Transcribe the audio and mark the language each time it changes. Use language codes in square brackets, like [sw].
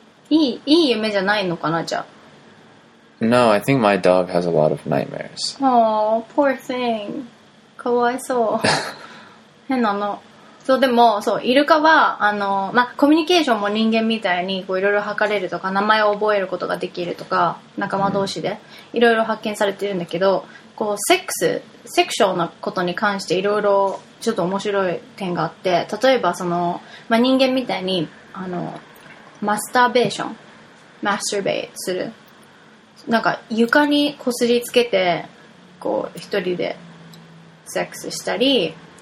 [ja] いい夢じゃないのかなじゃ。 [en] No, I think my dog has a lot of nightmares. Oh, poor thing. [ja] かわいそう。変なの。そうでもそうイルカはあのまコミュニケーションも人間みたいにこういろいろ測れるとか名前を覚えることができるとか仲間同士で。 Mm. いろいろ発見されてるんだけどこうセックスセクションのことに関していろいろちょっと面白い点があって例えばその、まあ、人間みたいにあのマスターベーションマスターベイするなんか床にこすりつけてこう一人でセックスしたり